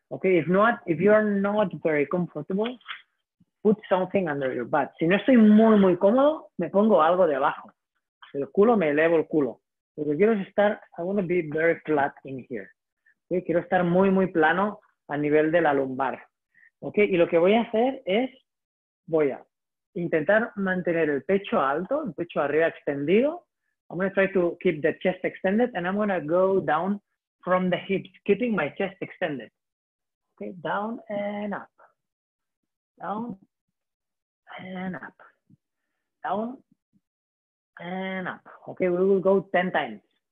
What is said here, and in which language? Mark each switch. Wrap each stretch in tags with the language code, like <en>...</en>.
<en>Okay, if not, if you are not very comfortable, put something under your butt.</en> <es>Si no estoy muy, muy cómodo, me pongo algo debajo. El culo, me elevo el culo. Lo que quiero es estar, I want to be very flat in here. Okay, quiero estar muy, muy plano a nivel de la lumbar. Okay, y lo que voy a hacer es, voy a intentar mantener el pecho alto, el pecho arriba extendido.</es> <en>I'm going to try to keep the chest extended and I'm going to go down from the hips, keeping my chest extended. Okay, down and up, down and up, down and up. Okay, we will go 10 times.</en>